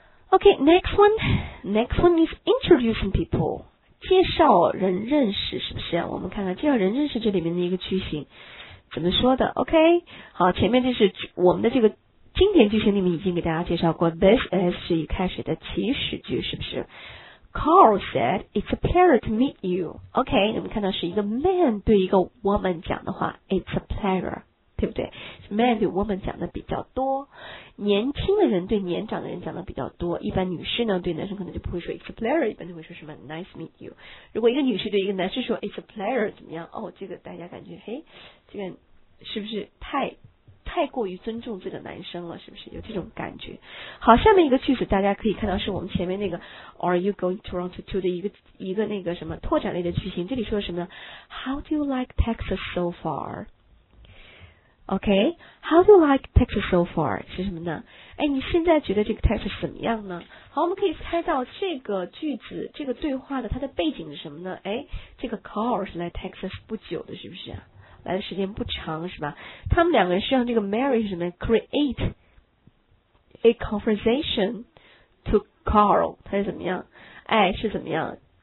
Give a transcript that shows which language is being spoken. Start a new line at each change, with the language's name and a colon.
English: OK, next one is introducing people,
Chinese: 介绍人认识，是不是？我们看看介绍人认识这里面的一个句型怎么说的。 OK, 好，前面这是我们的这个经典句型里面已经给大家介绍过， This is 是一开始的起始句，是不是？
English: Carl said, It's a pleasure to meet you.
Chinese: OK, 我们看到是一个 man 对一个 woman 讲的话，
English: It's a pleasure,
Chinese: 对不对？ Man 对 woman 讲的比较多，年轻的人对年长的人讲的比较多，一般女士呢对男生可能就不会说
English: It's a pleasure,
Chinese: 一般就会说什么
English: Nice meet you.
Chinese: 如果一个女士对一个男士说
English: It's a pleasure,
Chinese: 怎么样？哦，这个大家感觉，嘿，这个是不是太过于尊重这个男生了，是不是有这种感觉？好，下面一个句子大家可以看到是我们前面那个
English: Are you going to Toronto to
Chinese: 的一个那个什么拓展类的句型，这里说什么呢？
English: How do you like Texas so far? OK, How do you like Texas so far?
Chinese: 是什么呢？哎，你现在觉得这个 Texas 怎么样呢？好，我们可以猜到这个句子这个对话的它的背景是什么呢？哎，这个 Carl 是来 Texas 不久的，是不是啊？来的时间不长，是吧？他们两个人实际上这个 Mary 是什么 ？
English: Create a conversation to Carl，
Chinese: 他是怎么样？哎，是怎么样？